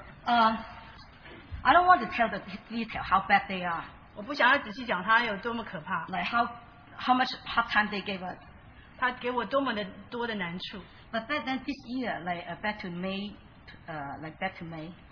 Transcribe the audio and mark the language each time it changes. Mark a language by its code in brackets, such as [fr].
[en] I don't want to tell the detail how bad they are. [zh] 我不想要仔细讲他有多么可怕。 [en] Like how much hard time they gave us. [zh] 他给我多么的多的难处。 [en] But back then this year, like back to May,